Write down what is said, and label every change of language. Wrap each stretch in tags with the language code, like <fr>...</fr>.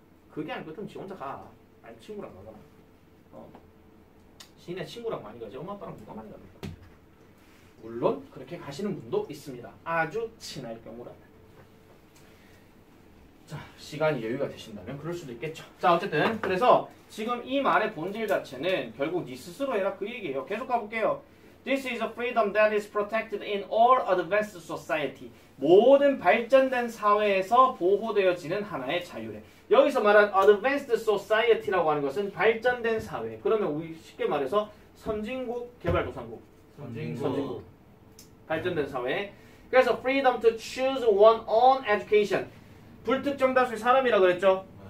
<ko>그게 아니고 좀 지 혼자 가. 아니 친구랑 가거나 시내 친구랑 많이 가지 엄마 아빠랑 누가 많이 갑니까? 물론 그렇게 가시는 분도 있습니다. 아주 친할 경우라면. 자, 시간이 여유가 되신다면 그럴 수도 있겠죠. 자, 어쨌든 그래서 지금 이 말의 본질 자체는 결국 네 스스로 해라 그 얘기예요. 계속 가볼게요.</ko> <en>This is a freedom that is protected in all advanced society.</en> <ko>모든 발전된 사회에서 보호되어지는 하나의 자유래. 여기서 말한 advanced society라고 하는 것은 발전된 사회. 그러면 우리 쉽게 말해서 선진국, 개발도상국. 선진국. 발전된 사회. 그래서</ko> <en>freedom to choose one's own education.</en> <ko>불특정 다수의 사람이라고 그랬죠?</ko>